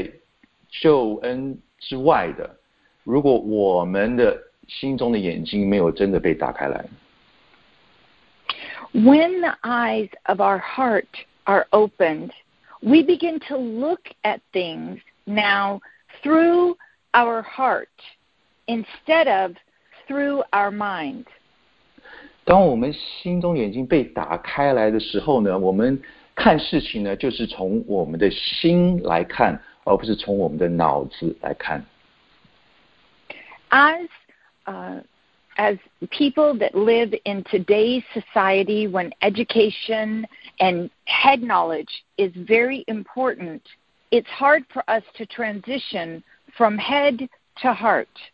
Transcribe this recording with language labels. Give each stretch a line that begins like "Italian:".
Chinese: 因为我们没有办法更深的了解在救恩之外的， 如果我们的心中的眼睛没有真的被打开来。
English: When the eyes of our heart are opened, we begin to look at things now through our heart instead of through our mind.
Chinese: 当我们心中眼睛被打开来的时候呢，我们看事情呢，就是从我们的心来看，而不是从我们的脑子来看。
English: As people that live in today's society, when education and head knowledge is very important, it's hard for us to transition from head to heart.